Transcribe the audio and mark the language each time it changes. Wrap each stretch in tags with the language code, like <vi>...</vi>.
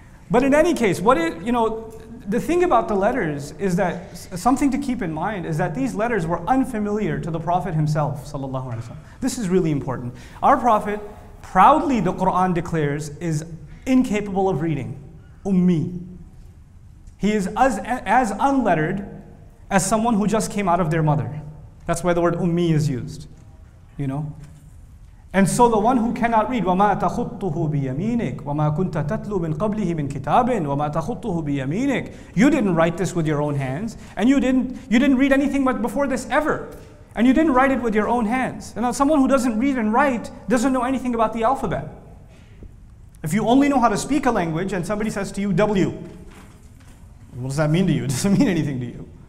<en>But in any case, the thing about the letters is that something to keep in mind is that these letters were unfamiliar to the Prophet himself, sallallahu alaihi wasallam. This is really important. Our Prophet proudly, the Quran declares, is incapable of reading. Ummi. He is as unlettered as someone who just came out of their mother. That's why the word ummi is used. You know? And so the one who cannot read,</en> <ar>وَمَا تَخُطُّهُ بِيَمِينِكَ وَمَا كُنْتَ تَتْلُو مِنْ قَبْلِهِ مِنْ كِتَابٍ وَمَا تَخُطُّهُ بِيَمِينِكَ.</ar> <en>You didn't write this with your own hands, and you didn't read anything but before this ever. And you didn't write it with your own hands. And someone who doesn't read and write doesn't know anything about the alphabet. If you only know how to speak a language and somebody says to you, W, what does that mean to you? It doesn't mean anything to you.</en>